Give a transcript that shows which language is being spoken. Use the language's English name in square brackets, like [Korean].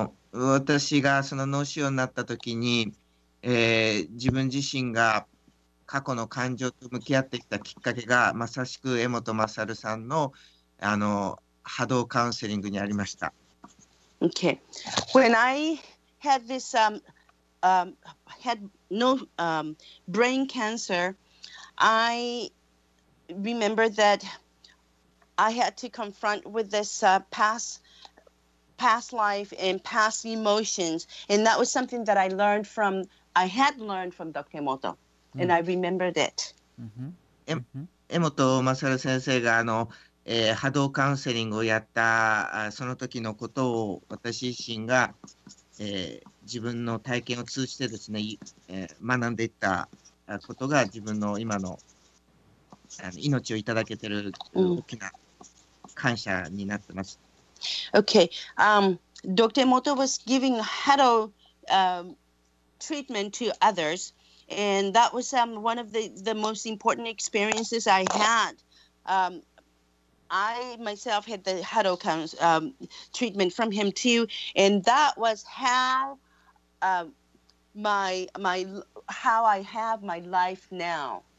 [Japanese] 私がその脳腫瘍になった時に、自分自身が過去の感情と向き合ってきたきっかけがまさしく江本勝さん の波動カウンセリングにありました。 [English] Okay. When I had this had brain cancer, I remember that I had to confront with this past life and past emotions, and that was something that I had learned from Dr. Emoto. And I remembered it. Mm-hmm. Mm-hmm. [Japanese] 江本勝先生が波動カウンセリングをやったその時のことを私自身が、自分の体験を通じてですね、学んでいったことが自分の今の命をいただけている大きな感謝になってます。 [English] Okay. Dr. Moto was giving Haro treatment to others, and that was one of the most important experiences I had. I myself had the Haro treatment from him too, and that was how how I have my life now.